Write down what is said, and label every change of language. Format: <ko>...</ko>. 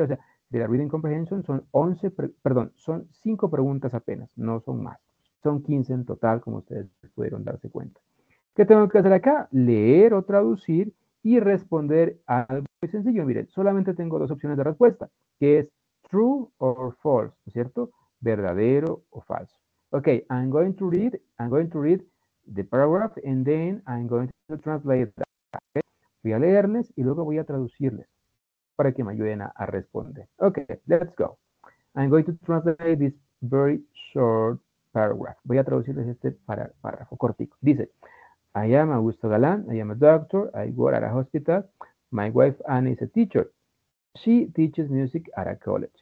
<es>O sea, de la reading comprehension son 11, son 5 preguntas apenas, no son más. Son 15 en total, como ustedes pudieron darse cuenta. ¿Qué tengo que hacer acá? Leer o traducir y responder algo muy sencillo. Miren, solamente tengo dos opciones de respuesta, que es</es> <en>true or false,</en> <es>¿no es cierto? Verdadero o falso.</es> <en>Ok, I'm going to read the paragraph and then I'm going to translate that. Okay.</en> <es>Voy a leerles y luego voy a traducirles para que me ayuden a responder.</es> <en>Ok, let's go. I'm going to translate this very short paragraph.</en> <es>Voy a traducirles este párrafo cortico. Dice,</es> <en>I am Augusto Galán, I am a doctor, I work at a hospital. My wife Anne is a teacher. She teaches music at a college.</en>